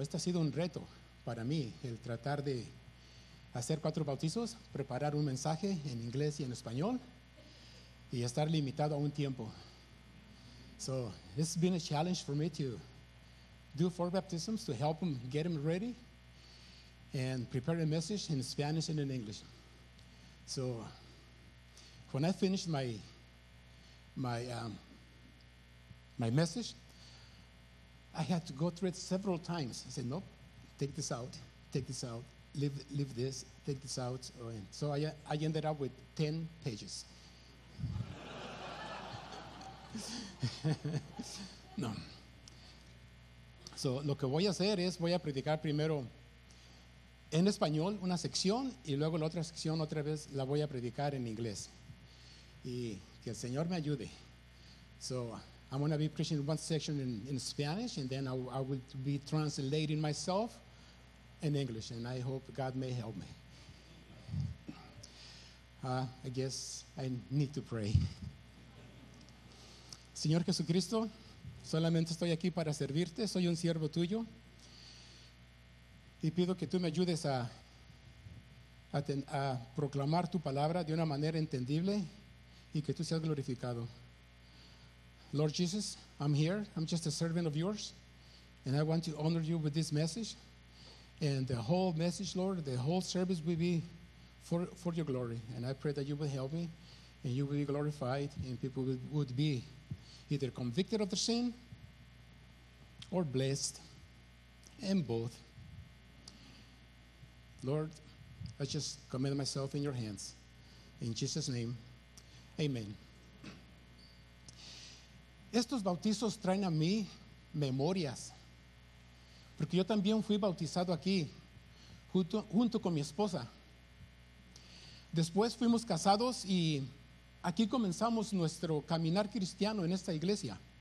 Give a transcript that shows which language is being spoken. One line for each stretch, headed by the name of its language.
Spanish: Esto ha sido un reto para mí, el tratar de hacer cuatro bautizos, preparar un mensaje en inglés y en español, y estar limitado a un tiempo.
English: So, it's been a challenge for me to do four baptisms to help them, get them ready, and prepare a message in Spanish and in English. So, when I finished my message, I had to go through it several times. I said, "Nope, take this out, leave this, take this out." And so I ended up with 10 pages. No.
Spanish: So, lo que voy a hacer es, voy a predicar primero en español una sección, y luego la otra sección otra vez la voy a predicar en inglés. Y que el Señor me ayude.
English: So, I'm going to be preaching one section in Spanish, and then I will be translating myself in English, and I hope God may help me. I guess I need to pray.
Spanish: Señor Jesucristo, solamente estoy aquí para servirte, soy un siervo tuyo, y pido que tú me ayudes a proclamar tu palabra de una manera entendible y que tú seas glorificado.
English: Lord Jesus, I'm here, I'm just a servant of yours, and I want to honor you with this message, and the whole message, Lord, the whole service will be for your glory, and I pray that you will help me, and you will be glorified, and people would be either convicted of their sin or blessed, and both. Lord, I just commend myself in your hands. In Jesus' name, amen.
Spanish: Estos bautizos traen a mí memorias, porque yo también fui bautizado aquí junto con mi esposa. Después fuimos casados y aquí comenzamos nuestro caminar cristiano en esta iglesia.